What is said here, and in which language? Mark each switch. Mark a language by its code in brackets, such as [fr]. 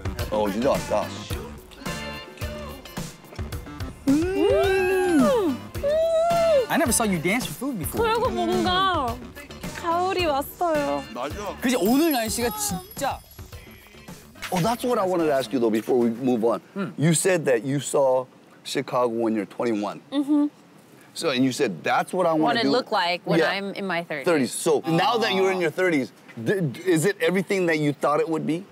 [en] Oh, it's really good. I never saw you dance for food before. [ko] 그리고 뭔가 가을이 왔어요. 맞아. 그치, 오늘 날씨가 진짜. [en] Oh, that's what I wanted to ask you though before we move on. Mm. You said that you saw Chicago when you're 21. Mm-hmm. So, and you said that's what I want to do. What it look like when I'm in my 30s. So now that you're in your 30s, is it everything that you thought it would be?